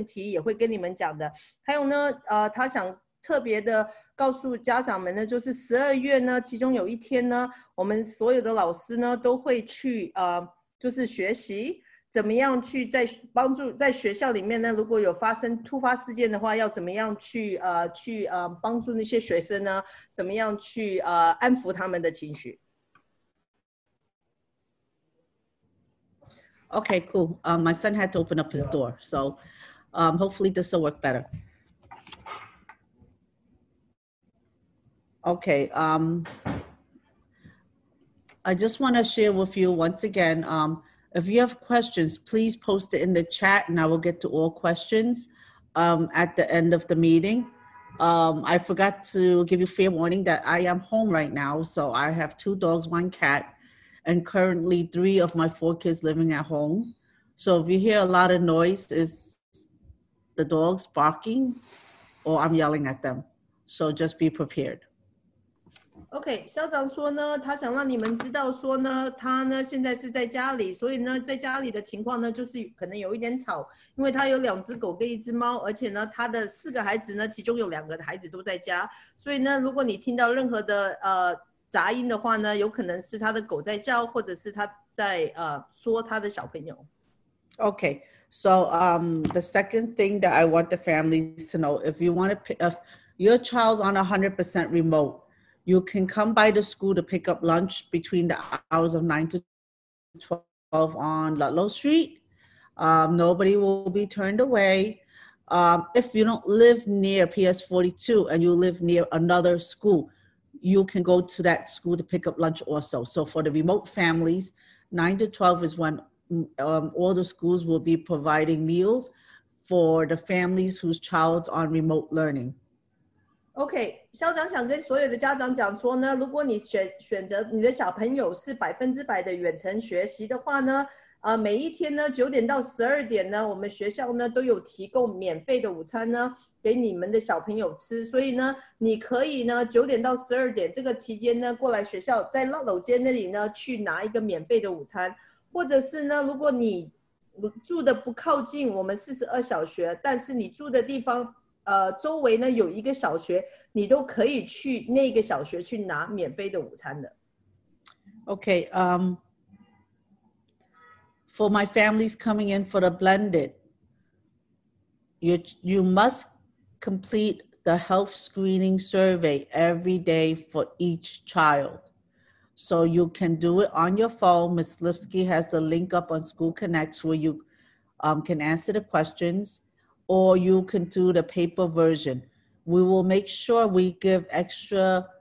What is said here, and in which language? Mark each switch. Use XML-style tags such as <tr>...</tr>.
<zh>So,校长说呢，他想欢迎，欢迎，谢谢所有的家长抽空机来开那个这个会议。今天早上呢，我们也开了一个会议。那早上的会议是比较短一点，是因为比较快一点，是因为呢，小朋友我们有8点半有小朋友回来上学。然后呢，校长说呢，他也会讲有关于今天早上家长们呢提出的问题，也会跟你们讲的。还有呢，他想。特别的告诉家长们呢，就是12月呢，其中有一天呢，我们所有的老师呢都会去就是学习怎么样去在帮助在学校里面呢，如果有发生突发事件的话，要怎么样去帮助那些学生呢？怎么样去安抚他们的情绪？</zh> <en>Okay, cool. My son had to open up his door, so hopefully this will work better. Okay, I just want to share with you once again. If you have questions, please post it in the chat and I will get to all questions at the end of the meeting. I forgot to give you fair warning that I am home right now. So I have 2 dogs, 1 cat, and currently 3 of my 4 kids living at home. So if you hear a lot of noise, it's the dogs barking or I'm yelling at them. So just be prepared.</en> <zh>OK，校长说呢，他想让你们知道说呢，他呢现在是在家里，所以呢在家里的情况呢就是可能有一点吵，因为他有2只狗跟1只猫，而且呢他的4个孩子呢，其中有2个孩子都在家，所以呢如果你听到任何的杂音的话呢，有可能是他的狗在叫，或者是他在说他的小朋友。</zh> <en>Okay, so the second thing that I want the families to know, if you want to, if your child's on 100% remote, you can come by the school to pick up lunch between the hours of 9 to 12 on Ludlow Street. Nobody will be turned away. If you don't live near PS 42 and you live near another school, you can go to that school to pick up lunch also. So for the remote families, 9 to 12 is when all the schools will be providing meals for the families whose child's on remote learning.</en> <zh>OK，校长想跟所有的家长讲说呢，如果你选择你的小朋友是100%的远程学习的话呢，每一天呢9点到12点呢，我们学校呢都有提供免费的午餐呢给你们的小朋友吃，所以呢，你可以呢9点到12点这个期间呢过来学校，在老楼间那里呢去拿一个免费的午餐，或者是呢，如果你住的不靠近我们42小学，但是你住的地方。周围呢有一个小学，你都可以去那个小学去拿免费的午餐的。</zh> <en>Okay, for my families coming in for the blended, you must complete the health screening survey every day for each child. So you can do it on your phone. Ms. Lipsky has the link up on School Connects where you can answer the questions, or you can do the paper version. We will make sure we give extra</en>